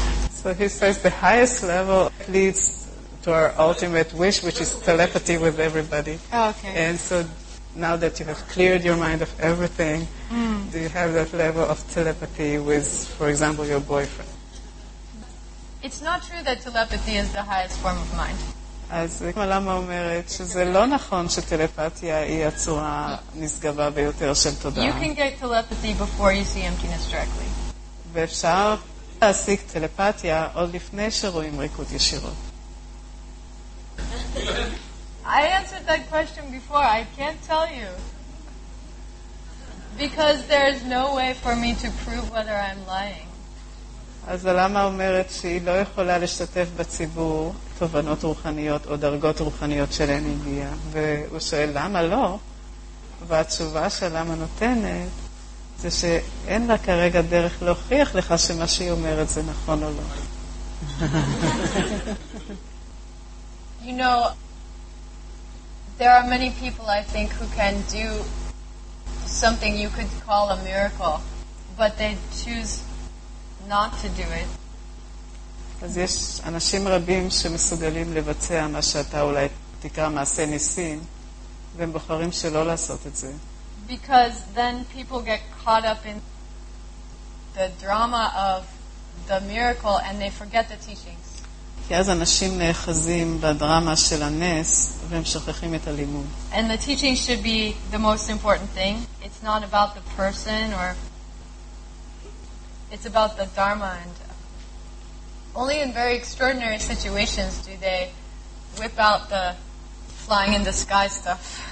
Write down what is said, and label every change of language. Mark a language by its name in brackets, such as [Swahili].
[English] So he says the highest level leads to our ultimate wish, which is telepathy with everybody. Okay. And so now that you have cleared your mind of everything, do you have that level of telepathy with, for example, your boyfriend? It's not true that telepathy is the highest form of mind. [Hebrew] אז למה אומרת שזה לא נכון שטלפתיה היא הצורה נשגבה ביותר של תודעה? [English] You can get telepathy before you see emptiness directly. [Hebrew] ואפשר להשיג טלפתיה עוד לפני שרואים ריקות ישירות. [English] I answered that question before. I can't tell you. Because there is no way for me to prove whether I'm lying. [Hebrew] אז למה אומרת שהיא לא יכולה להשתתף בציבור תובנות רוחניות או דרגות רוחניות של אין הגיעה? והוא שואל למה לא, והתשובה של למה נותנת זה שאין לה כרגע דרך להוכיח לך שמה שהיא אומרת זה נכון או לא. [English] You know, there are many people I think who can do something you could call a miracle, but they choose not to do it. [Hebrew] אז יש אנשים רבים שמסוגלים לבצע מה שאתה אולי תקרא מעשה ניסים, והם בוחרים שלא לעשות את זה. [English] Because then people get caught up in the drama of the miracle and they forget the teachings. [Hebrew] כי אז אנשים נאחזים בדרמה של הנס והם שוכחים את הלימוד. [English] And the teaching should be the most important thing. It's not about the person or it's about the dharma, and only in very extraordinary situations do they whip out the flying in the sky stuff.